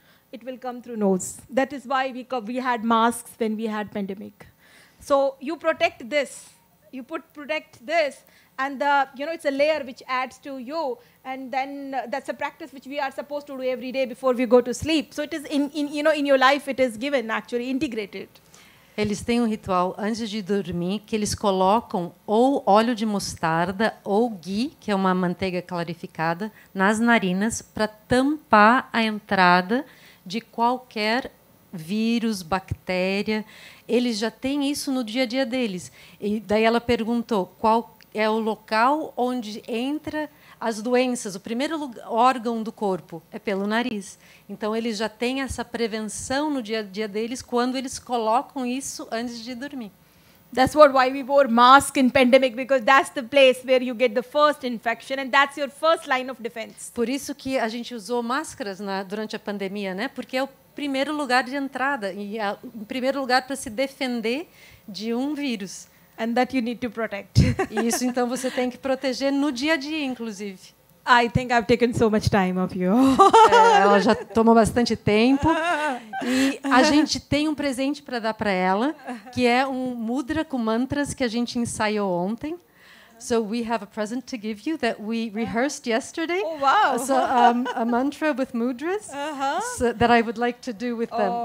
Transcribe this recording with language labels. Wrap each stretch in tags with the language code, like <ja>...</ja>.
<en>It will come through nose. That is why we had masks when we had pandemic. So you protect this, you protect this, and the, you know, it's a layer which adds to you, and then that's a practice which we are supposed to do every day before we go to sleep. So it is in you know, in your life it is given, actually integrated.</en> <pt>Eles têm um ritual antes de dormir que eles colocam ou óleo de mostarda ou ghee, que é uma manteiga clarificada, nas narinas para tampar a entrada de qualquer vírus, bactéria. Eles já têm isso no dia a dia deles. E daí ela perguntou qual é o local onde entra as doenças. O primeiro órgão do corpo é pelo nariz. Então, eles já têm essa prevenção no dia a dia deles quando eles colocam isso antes de dormir.</pt> <en>That's what why we wore mask in pandemic, because that's the place where you get the first infection and that's your first line of defense.</en> <pt>Por isso que a gente usou máscaras durante a pandemia, né? Porque é o primeiro lugar de entrada e é o primeiro lugar para se defender de um vírus.</pt> <en>And that you need to protect.</en> <pt>Isso então você tem que proteger no dia a dia, inclusive.</pt> <en>I think I've taken so much time of you.</en> <pt>Ela já tomou bastante tempo. E a gente tem um presente para dar para ela, que é um mudra com mantras que a gente ensaiou ontem.</pt> <en>So we have a present to give you that we rehearsed yesterday. Oh, wow. So a mantra with mudras so that I would like to do with them.</en>